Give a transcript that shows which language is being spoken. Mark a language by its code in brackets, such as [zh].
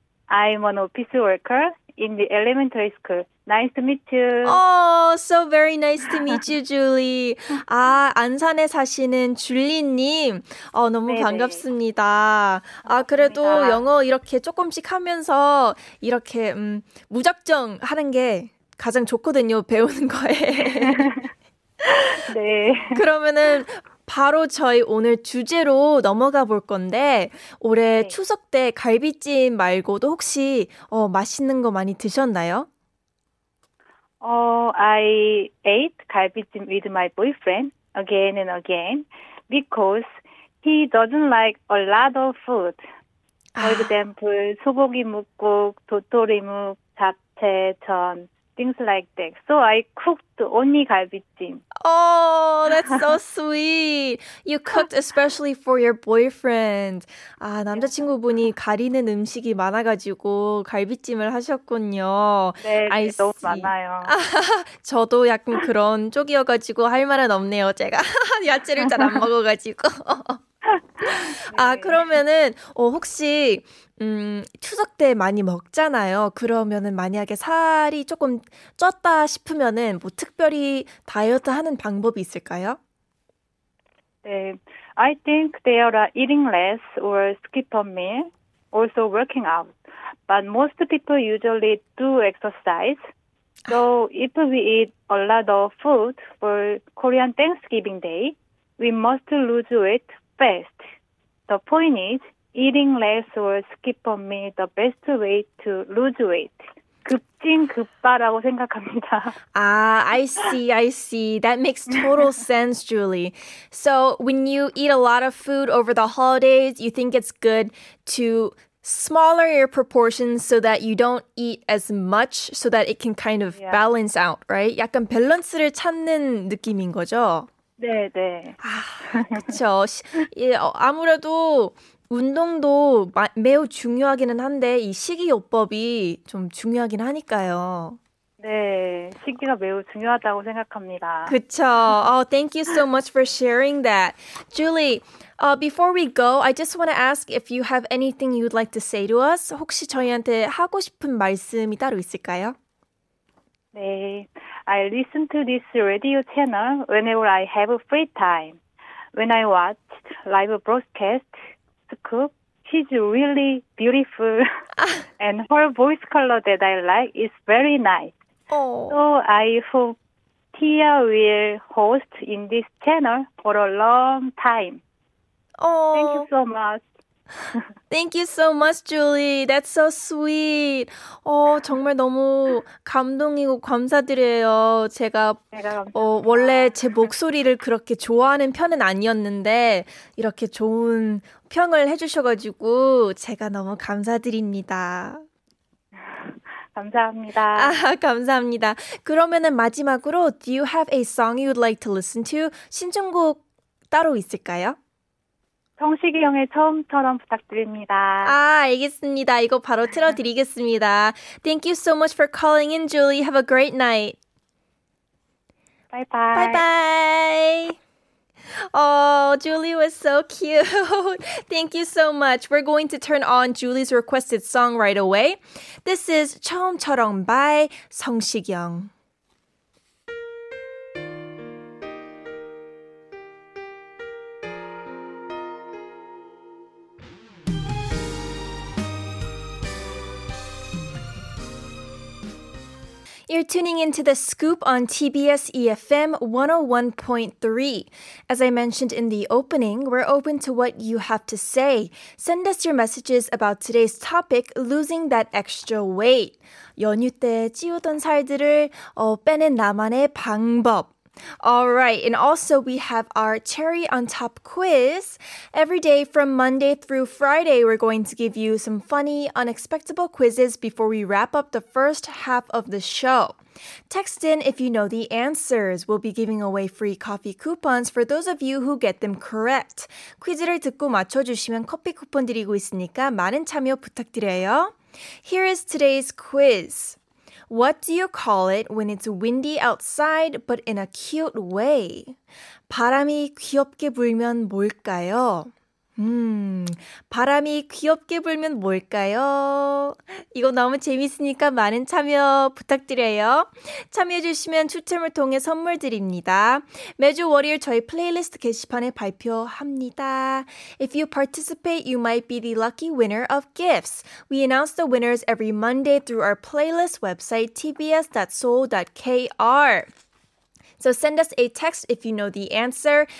[en] I'm an office worker in the elementary school. Nice to meet you. Oh, so very nice to meet you, Julie. [ko] 아, 안산에 사시는 줄리님. 너무 네네. 반갑습니다. 아, 그래도 감사합니다. 영어 이렇게 조금씩 하면서 이렇게 무작정 하는 게 가장 좋거든요, 배우는 거에. 네. 그러면은 바로 저희 오늘 주제로 넘어가 볼 건데 올해 네. 추석 때 갈비찜 말고도 혹시 맛있는 거 많이 드셨나요? [en] I ate 갈비찜 with my boyfriend again and again because he doesn't like a lot of food. For example, [ko] 소고기 뭇국, 도토리묵, 잡채, 전, [en] things like that. So I cooked only 갈비찜. Oh, that's so sweet. You cooked especially for your boyfriend. [ko] 아, 남자친구분이 가리는 음식이 많아가지고 갈비찜을 하셨군요. 네, 너무 많아요. 저도 약간 그런 쪽이어가지고 할 말은 없네요, 제가. 야채를 잘 안 먹어가지고. 아, 그러면은 혹시 추석 때 많이 먹잖아요. 그러면은 만약에 살이 조금 쪘다 싶으면은 뭐 특별히 다이어트 하는 방법이 있을까요? [en] 네, I think they are eating less or skip a meal, also working out. But most people usually do exercise. So if we eat a lot of food for Korean Thanksgiving Day, we must lose weight fast. The point is eating less or skip a meal the best way to lose weight. [ko] 급진 급바라고 생각합니다. [en] Ah, I see, I see. That makes total sense, Julie. So when you eat a lot of food over the holidays, you think it's good to smaller your proportions so that you don't eat as much so that it can kind of balance out, right? [ko] 약간 밸런스를 찾는 느낌인 거죠? 네. 아, 그렇죠. 예, 아무래도 운동도 매우 중요하기는 한데 이 식이요법이 좀 중요하긴 하니까요. 네, 식기가 매우 중요하다고 생각합니다. 그렇죠. [en] Oh, thank you so much for sharing that. Julie, before we go, I just want to ask if you have anything you'd like to say to us. [ko] 혹시 저희한테 하고 싶은 말씀이 따로 있을까요? [en] 네, I listen to this radio channel whenever I have free time. When I watch live broadcast, Scoop, she's really beautiful. And her voice color that I like is very nice. Oh. So I hope Tia will host in this channel for a long time. Oh. Thank you so much. Thank you so much, Julie. That's so sweet. [ko] 정말 너무 감동이고 감사드려요. 제가 원래 제 목소리를 그렇게 좋아하는 편은 아니었는데 이렇게 좋은 평을 해주셔가지고 제가 너무 감사드립니다. 감사합니다. 감사합니다. 그러면은 마지막으로 [en] Do you have a song you would like to listen to? [ko] 신청곡 따로 있을까요? 성시기 형의 처음처럼 부탁드립니다. 아, 알겠습니다. 이거 바로 틀어드리겠습니다. [en] Thank you so much for calling in, Julie. Have a great night. Bye-bye. Bye-bye. Oh, Julie was so cute. Thank you so much. We're going to turn on Julie's requested song right away. This is 처음처럼 by 성시기 형. You're tuning into The Scoop on TBS EFM 101.3. As I mentioned in the opening, we're open to what you have to say. Send us your messages about today's topic, losing that extra weight. [ko] 연휴 때 찌우던 살들을 빼낸 나만의 방법. [en] Alright, and also we have our Cherry on Top quiz. Every day from Monday through Friday, we're going to give you some funny, unexpected quizzes before we wrap up the first half of the show. Text in if you know the answers. We'll be giving away free coffee coupons for those of you who get them correct. [ko] 퀴즈를 듣고 맞춰주시면 커피 쿠폰 드리고 있으니까 많은 참여 부탁드려요. [en] Here is today's quiz. What do you call it when it's windy outside but in a cute way? [ko] 바람이 귀엽게 불면 뭘까요? 바람이 귀엽게 불면 뭘까요? 이거 너무 재밌으니까 많은 참여 부탁드려요. 참여해주시면 추첨을 통해 선물 드립니다. 매주 월요일 저희 플레이리스트 게시판에 발표합니다. [en] If you participate, you might be the lucky winner of gifts. We announce the winners every Monday through our playlist website, tbs.seoul.kr. So send us a text if you know the answer.